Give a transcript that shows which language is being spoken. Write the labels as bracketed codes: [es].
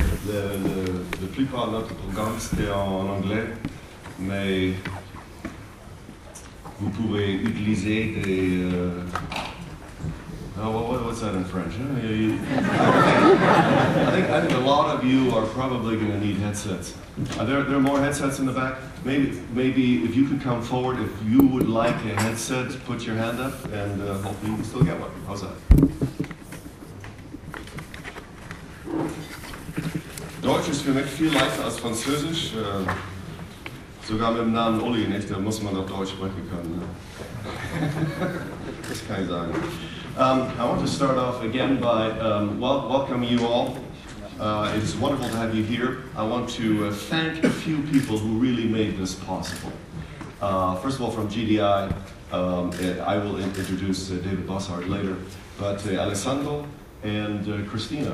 [fr] La plupart de notre programme c'était en anglais, mais vous pouvez utiliser des. [en] What's that in French? I think a lot of you are probably going to need headsets. Are there more headsets in the back? Maybe if you could come forward, if you would like a headset, put your hand up, and hopefully you can still get one. How's that? [de] Deutsch ist für mich viel leichter als Französisch. Sogar mit dem Namen Uli, nicht? Da muss man auch Deutsch sprechen können. Ne? Das kann ich sagen. [en] I want to start off again by welcome you all. It's wonderful to have you here. I want to thank a few people who really made this possible. First of all, from GDI, I will introduce David Bossard later, but Alessandro and Christina.